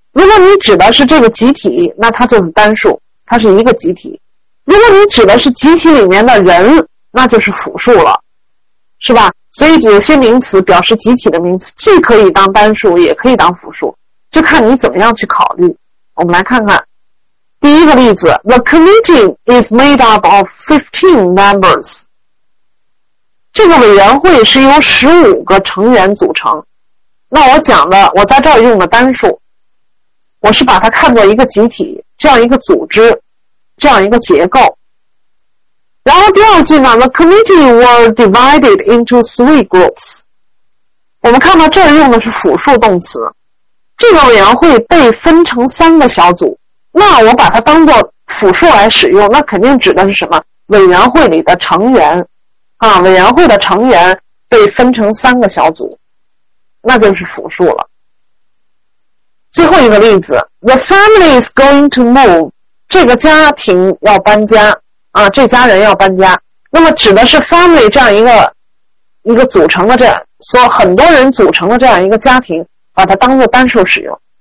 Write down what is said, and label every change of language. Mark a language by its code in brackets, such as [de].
[zh] 如果你指的是这个集体，那它就是单数，它是一个集体。如果你指的是集体里面的人，那就是复数了，是吧？所以有些名词表示集体的名词，既可以当单数，也可以当复数，就看你怎么样去考虑。我们来看看第一个例子， [en] The committee is made up of 15 members. [zh] 这个委员会是由15个成员组成。那我讲的，我在这儿用的单数，我是把它看作一个集体，这样一个组织，这样一个结构。然后第二句呢， [en] The committee were divided into 3 groups. [zh] 我们看到这儿用的是复数动词，这个委员会被分成三个小组。那我把它当作复数来使用，那肯定指的是什么？委员会里的成员啊，委员会的成员被分成三个小组，那就是复数了。最后一个例子， [en] The family is going to move， [zh] 这个家庭要搬家啊，这家人要搬家，那么指的是 family 这样一个组成的，这所很多人组成的这样一个家庭，把它当作单数使用。